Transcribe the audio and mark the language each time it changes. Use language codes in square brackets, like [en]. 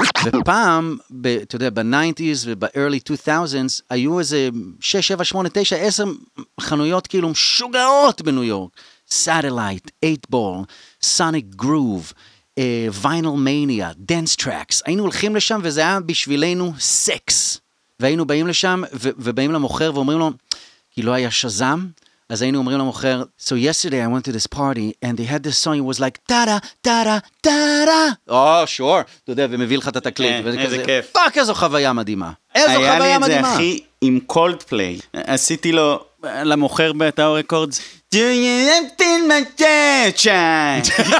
[he] ופעם, אתה יודע, ב-90s וב-early 2000s, היו איזה 6, 7, 8, 9, 10 חנויות כאילו משוגעות בניו יורק. [en] Satellite, 8-Ball, Sonic Groove, Vinyl Mania, Dance Tracks. [he] היינו הולכים לשם וזה היה בשבילנו סקס. והיינו באים לשם ובאים למוכר ואומרים לו, כאילו היה שזם. אז היינו אומרים למוכר, [en] so yesterday I went to this party and they had this song, it was like, ta-da, ta-da, ta-da. Oh, sure. [he] אתה יודע, ומביא לך את התקליט. כן, איזה כיף. פאק, איזו חוויה מדהימה. איזו חוויה מדהימה. היה לי את זה הכי עם Coldplay. עשיתי לו, למוכר בטאור רקורדס, [en] do you have to my attention?